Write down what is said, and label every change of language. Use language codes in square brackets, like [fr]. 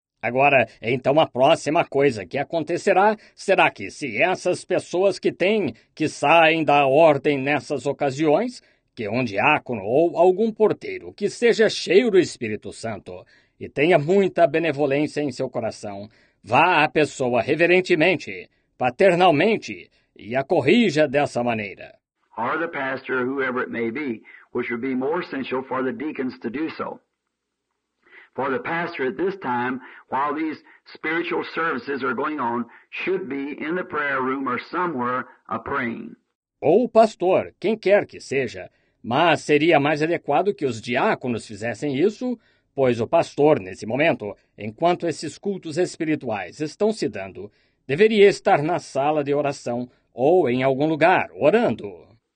[pt] Agora, então a próxima coisa que acontecerá será que se essas pessoas que têm, que saem da ordem nessas ocasiões, que um diácono ou algum porteiro que seja cheio do Espírito Santo e tenha muita benevolência em seu coração, vá à pessoa reverentemente, paternalmente, e a corrija dessa maneira. [en] Or the pastor, whoever it may be, which would be more essential for the deacons to do so. For the pastor at this time, while these spiritual services are going on, should be in the prayer room or somewhere a praying. [pt] Ou o pastor, quem quer que seja, mas seria mais adequado que os diáconos fizessem isso, pois o pastor, nesse momento, enquanto esses cultos espirituais estão se dando, deveria estar na sala de oração ou em algum lugar, orando.